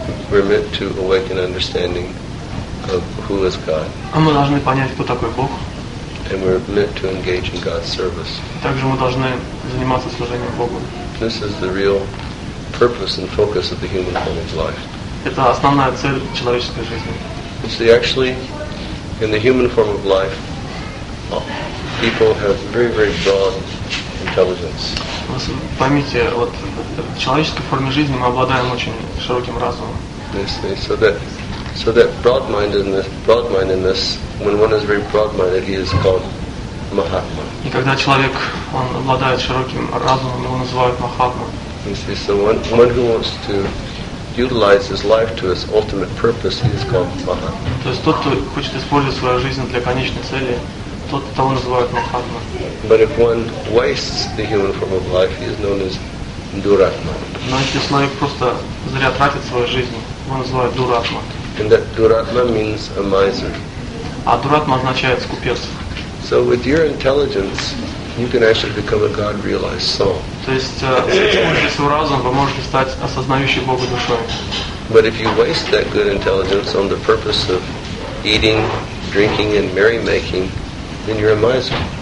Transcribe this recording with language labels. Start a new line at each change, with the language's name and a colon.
English: We're meant to awaken understanding of who is God.
Russian: А мы должны понять, кто такой Бог.
English: And we're meant to engage in God's service.
Russian: Также мы должны заниматься служением Богу.
English: This is the real purpose and focus of the human form of life.
Russian: Это основная цель человеческой жизни.
English: You see, actually, in the human form of life, people have very, very broad intelligence.
Russian: Поймите, вот в человеческой форме жизни мы обладаем очень широким разумом.
English: Yes, so that. So that broad-mindedness, when one is very broad-minded, he is called Mahatma.
Russian: И когда человек, он обладает широким разумом, его называют Махатма.
English: You see, so one who wants to utilize his life to his ultimate purpose, he is called Mahatma.
Russian: То есть тот, кто хочет использовать свою жизнь для конечной цели, тот того называют Махатма.
English: But if one wastes the human form of life, he is known as Duratma.
Russian: Но если человек просто зря тратит свою жизнь, его называют Дуратма.
English: And that Duratma means a miser.
Russian: А Дуратма означает скупец.
English: So with your intelligence, you can actually become a God-realized soul.
Russian: То есть с помощью своего разума вы можете стать осознающей Бога душой.
English: But if you waste that good intelligence on the purpose of eating, drinking, and merrymaking, then you're a miser.